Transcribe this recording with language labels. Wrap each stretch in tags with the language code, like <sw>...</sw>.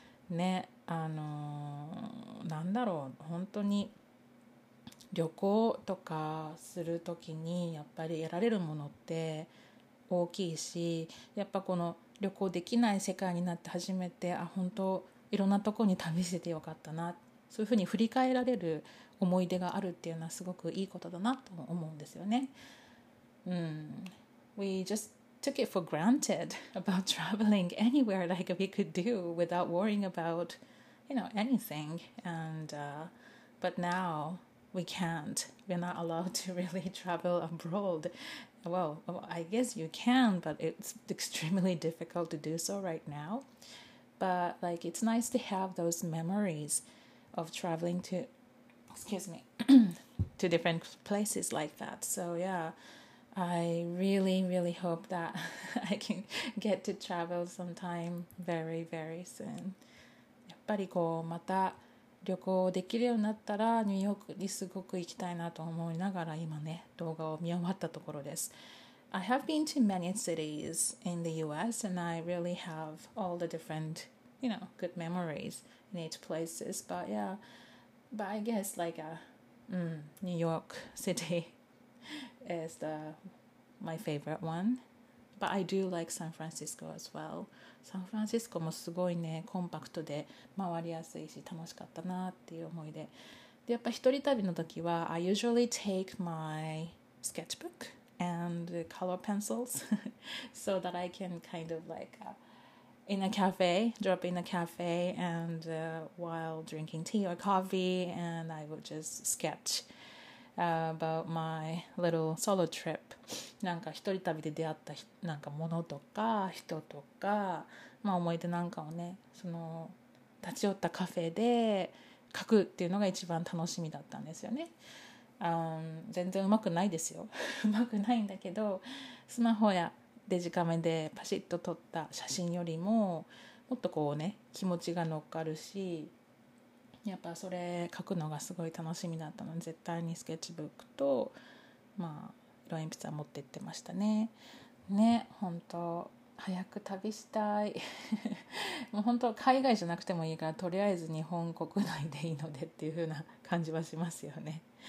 <ja>ね、なんだろう、本当に旅行とかするときにやっぱり得られるものって大きいしやっぱこの旅行できない世界になって初めてあ本当いろんなところに旅しててよかったなそういうふうに振り返られる思い出があるっていうのはすごくいいことだなと思うんですよね、</ja> <en>We just took it for granted about traveling anywhere like we could do without worrying about you know anything and but now we can't we're not allowed to really travel abroadWell, I guess you can, but it's extremely difficult to do so right now. But like, it's nice to have those memories of traveling to, excuse me, to different places like that. So yeah, I really, really hope that I can get to travel sometime very, very soon.</en> <ja>やっぱりこうまた旅行できるようになったらニューヨークにすごく行きたいなと思いながら今ね動画を見終わったところです</ja> <en>I have been to many cities in the US and I really have all the different you know good memories in each places but yeah but I guess like a New York City is the my favorite one but I do like San Francisco as well</en> <ja>サンフランシスコもすごいねコンパクトで回りやすいし楽しかったなっていう思い出でやっぱ一人旅の時は</ja> <en>I usually take my sketchbook and color pencils so that I can kind of like in a cafe drop in a cafe and while drinking tea or coffee and I would just sketch about my little solo trip</en> <ja>なんか一人旅で出会ったなんかものとか人とか、まあ、思い出なんかをねその立ち寄ったカフェで書くっていうのが一番楽しみだったんですよね、全然うまくないですようまくないんだけどスマホやデジカメでパシッと撮った写真よりももっとこうね気持ちが乗っかるしやっぱそれ書くのがすごい楽しみだったので絶対にスケッチブックとまあ色鉛筆は持って行ってましたねね本当早く旅したいもう本当海外じゃなくてもいいからとりあえず日本国内でいいのでっていう風な感じはしますよね</ja>